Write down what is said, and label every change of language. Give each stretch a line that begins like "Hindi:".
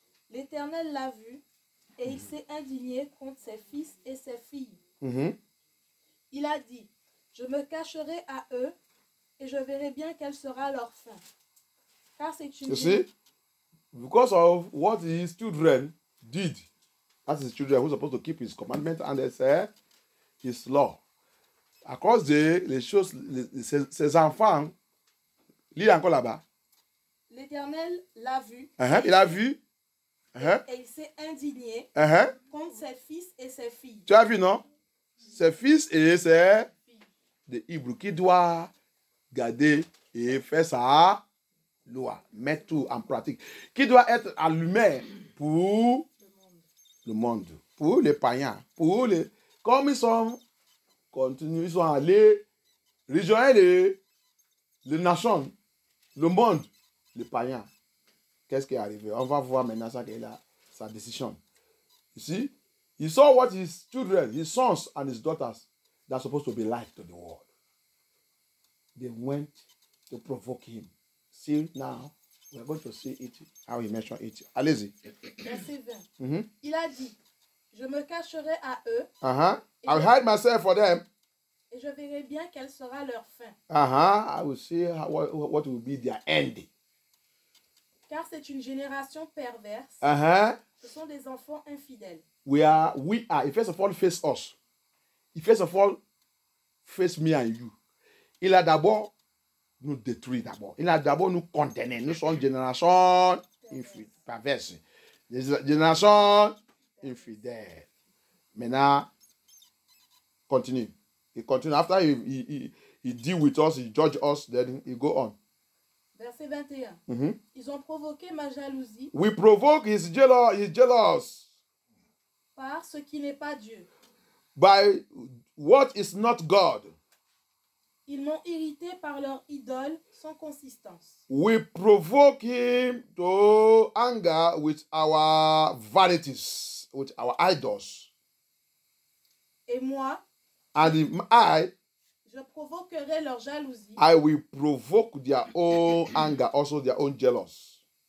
French: L'Éternel l'a vu et il s'est indigné contre ses fils et ses filles. Mm-hmm. Il a dit, je me cacherai à eux et je verrai bien quelle sera leur fin. Car c'est une...
English: You see, because of what his children did, as his children who are supposed to keep his commandment and his law.
French: À cause de les choses, ses enfants, lis encore là-bas. L'Éternel l'a vu. Il a vu. Et il s'est indigné contre ses fils et ses filles. Tu as vu, non? Ses fils et ses filles. Des Hébreux qui doivent garder et faire sa loi. Mets tout en pratique. Qui doit être allumé pour le monde, pour les païens, pour les... Comme ils sont continués, ils sont allés rejoindre les nations, le monde, les païens. Qu'est-ce qui est arrivé? On va voir maintenant ça qu'il a, sa décision.
English: You see? He saw what his children, his sons and his daughters that are supposed to be light to the world. They went to provoke him. See now, we're going to see it, how he mentioned it.
French: Allez-y. Verset 20. Il a dit, je me cacherai à eux.
English: I'll hide myself for them.
French: Et je verrai bien quelle sera leur fin.
English: I will see what will be their end.
French: Car c'est une génération perverse. Ce sont des enfants infidèles.
English: We are. First of all, face us. First of all, face me and you.
French: Il a d'abord nous détruit d'abord. Il a d'abord nous condamné. Nous sommes une génération perverse. Génération infidèle. Maintenant, continue. Il continue.
English: After he deal with us, he judge us, then he go on.
French: Verset 21. Ils ont provoqué ma jalousie.
English: We provoke his jealous.
French: Par ce qui n'est pas Dieu.
English: By what is not God.
French: Ils m'ont irrité par leur idole sans consistance.
English: We provoke him to anger with our vanities, with our idols.
French: Et moi,
English: and I,
French: je provoquerai leur jalousie.
English: I will provoke their own anger, also their own jealous.